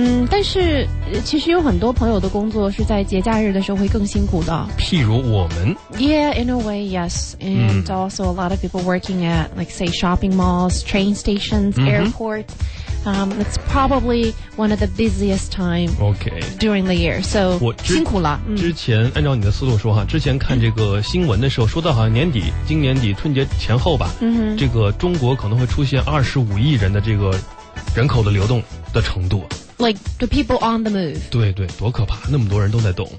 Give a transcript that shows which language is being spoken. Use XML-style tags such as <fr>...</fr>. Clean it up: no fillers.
<zh>但是其实有很多朋友的工作是在节假日的时候会更辛苦的。譬如我们。</zh> <en>Yeah, in a way, yes. And also a lot of people working at, like, say, shopping malls, train stations, airports. It's probably one of the busiest time during the year.</en> <zh>So, 辛苦了。之前按照你的思路说哈，之前看这个新闻的时候说到好像年底，今年底春节前后吧，这个中国可能会出现25亿人的这个人口的流动的程度。</zh> <en>Like the people on the move.</en> <zh>对对，多可怕，那么多人都在动。</zh>